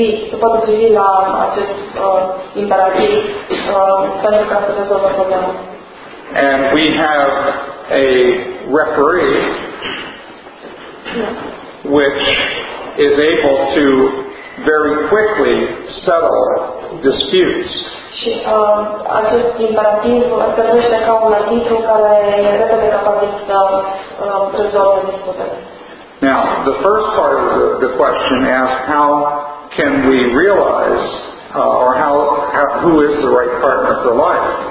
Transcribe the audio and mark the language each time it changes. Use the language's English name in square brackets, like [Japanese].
[Romanian] Se poate privi la acest imperativ pentru ca să rezolvă problema. [English] And we have a referee which is able to very quickly settle disputes. [Romanian] Și acest imperativ servește ca un arbitru care e repede capabil să rezolve disputele. [English] Now, the first part of the question asks how can we realize or how who is the right partner for life?